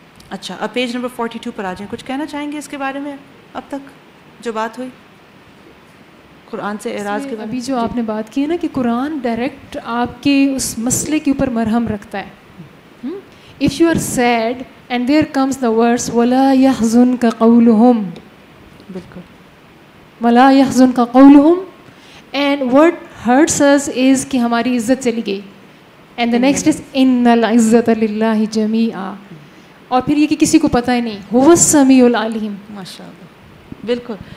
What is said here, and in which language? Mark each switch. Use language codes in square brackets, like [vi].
[ur] اچھا, اب page number 42 پر آ جائیں. کچھ کہنا چاہیں گے اس کے بارے میں اب تک جو بات ہوئی قرآن سے اعراض کے بارے میں؟ ابھی جو آپ نے بات کی ہے نا کہ قرآن ڈائریکٹ آپ کے اس مسئلے کے اوپر مرہم رکھتا ہے. [en] if you are sad and there comes the words [ar] ولا یحزنک قولہم, [ur] بالکل [ar] ولا یحزنک قولہم, [en] and what hurts us is [ur] کہ ہماری عزت چلی گئی, [en] and the next is [ar] ان العزت للہ جمیعا, [ur] اور پھر یہ کہ کسی کو پتہ ہی نہیں. [ar] ہو سمیع العلیم, [ur] ماشاء اللہ, بالکل.